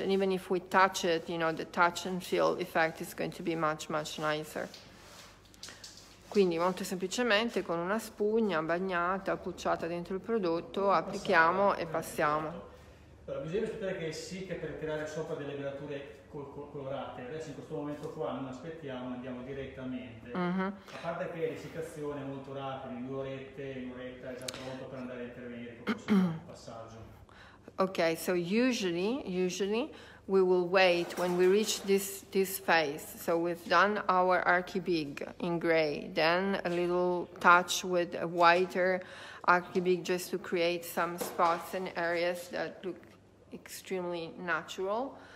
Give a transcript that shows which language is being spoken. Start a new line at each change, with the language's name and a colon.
English: And even if we touch it, you know, the touch and feel effect is going to be much, much nicer.
Italian: Quindi molto semplicemente con una spugna bagnata, pucciata dentro il prodotto, applichiamo e passiamo. Allora, bisogna aspettare che secca per tirare sopra delle gradature colorate. Adesso in questo momento qua non aspettiamo, andiamo direttamente. Mm-hmm. A parte che l'essiccazione è molto rapida, in due orette, un'oretta è già pronto per andare a intervenire con questo passaggio.
English: Ok, so usually we will wait when we reach this phase. So we've done our Archibig in gray, then a little touch with a whiter Archibig just to create some spots and areas that look extremely natural.